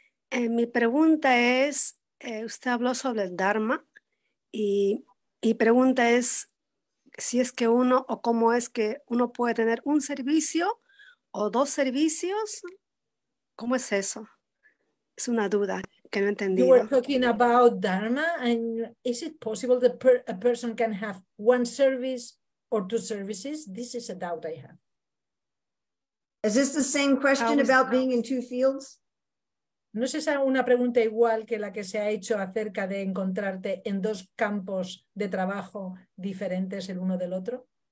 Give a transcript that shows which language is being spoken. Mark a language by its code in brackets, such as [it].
[es] Mi pregunta es, usted habló sobre el Dharma y pregunta es si es que uno o cómo es que uno puede tener un servicio o dos servicios. ¿Cómo es eso? Es una duda que no he entendido. [en] You were talking about Dharma and is it possible that a person can have one service or two services? This is a doubt I have. Is this the same question about being in two fields? [es] ¿No es esa una pregunta igual que la que se ha hecho acerca de encontrarte en dos campos de trabajo diferentes el uno del otro?